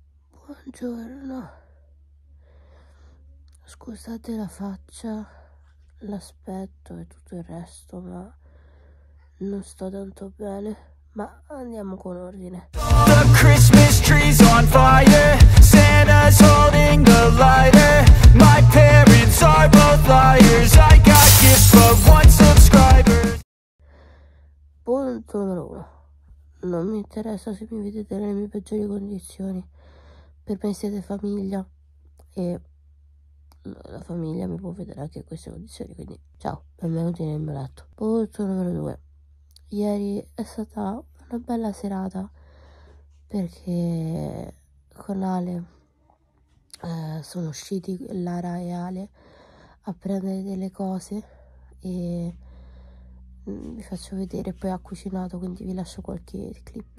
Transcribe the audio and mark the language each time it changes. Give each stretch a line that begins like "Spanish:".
Italian: Buongiorno, scusate la faccia, l'aspetto e tutto il resto, ma non sto tanto bene, ma andiamo con ordine.
English: The Christmas tree's on fire, Santa's holding the lighter, my parents are both liars, I got gifts but one subscriber.
Italian: Punto numero uno, non mi interessa se mi vedete nelle mie peggiori condizioni. Per me siete famiglia e la famiglia mi può vedere anche in queste condizioni, quindi ciao, benvenuti nel mio letto. Punto numero due. Ieri è stata una bella serata perché con Ale sono usciti Lara e Ale a prendere delle cose e vi faccio vedere, poi ha cucinato, quindi vi lascio qualche clip.